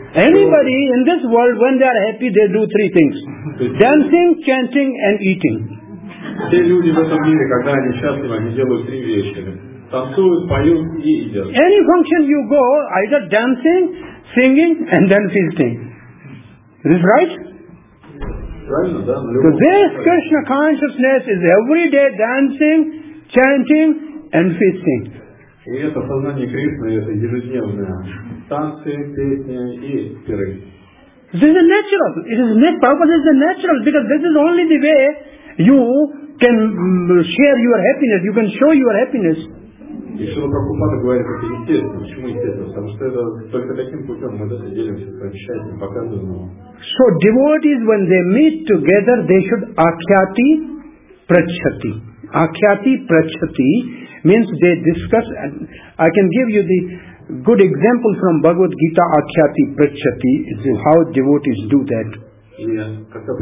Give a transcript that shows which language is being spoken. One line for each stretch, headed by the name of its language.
English: Anybody in this world, when they are happy, they do three things. Dancing, chanting, and eating.
Russian: Все люди в этом мире, когда они счастливы, они делают три вещи. Танцуют, поют и едят.
English: Any function you go, either dancing, singing, and then feasting. Is this right?
Russian: Правильно, да?
English: So this Krishna consciousness is every day dancing, chanting, and feasting.
Russian: И это сознание Кришны, это ежедневное. Танцы, песни и пиры.
English: This is natural. It is Prabhupada is natural because this is only the way you can share your happiness, you can show your happiness.
Russian: И Шрила Прабхупада говорит, это естественно. Почему естественно? Потому что это только таким путем мы это делимся, прочищаем, показываем его.
English: So devotees, when they meet together, they should akhyati prachati. Akhyati prachati means they discuss, and I can give you the good example from Bhagavad Gita, Akhyati Prachati, is how devotees do that.